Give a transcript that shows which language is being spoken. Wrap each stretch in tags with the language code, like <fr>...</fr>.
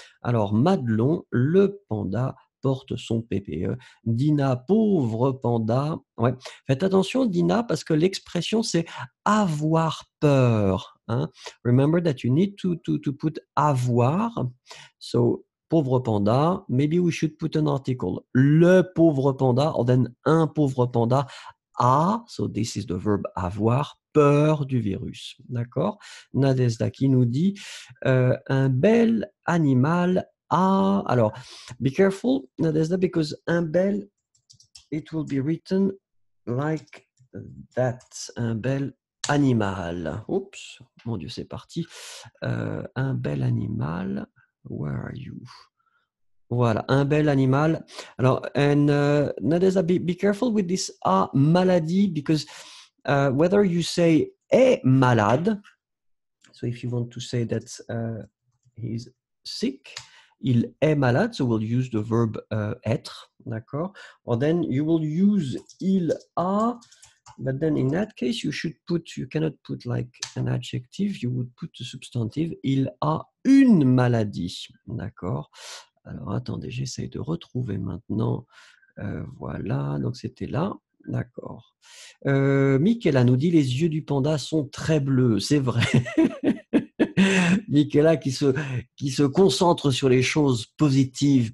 <fr>Alors, Madelon, le panda, porte son PPE. Dina, pauvre panda. Ouais. Faites attention, Dina, parce que l'expression, c'est avoir peur.</fr> <en>Hein? Remember that you need to put avoir. So,</en> <fr>pauvre panda,</fr> <en>maybe we should put an article.</en> <fr>Le pauvre panda,</fr> <en>or then</en> <fr>un pauvre panda, a.</fr> <en>So, this is the verb avoir.</en> <fr>Peur du virus, d'accord. Nadezda qui nous dit un bel animal a. Alors,</fr> <en>be careful, Nadezda, because</en> <fr>un bel,</fr> <en>it will be written like that.</en> <fr>Un bel animal. Oups, mon Dieu, c'est parti. Un bel animal.</fr> <en>Where are you?</en> <fr>Voilà, un bel animal. Alors,</fr> <en>and Nadezda, be careful with this a maladie, because whether you say</en> <fr>est malade,</fr> <en>so if you want to say that he's sick,</en> <fr>il est malade,</fr> <en>so we'll use the verb être,</en> <fr>d'accord?</fr> <en>Or then you will use</en> <fr>il a,</fr> <en>but then in that case you cannot put like an adjective, you would put the substantive,</en> <fr>il a une maladie, d'accord? Alors attendez, j'essaye de retrouver maintenant, voilà, donc c'était là. D'accord. Michaela nous dit les yeux du panda sont très bleus. C'est vrai. Michaela qui se concentre sur les choses positives.</fr>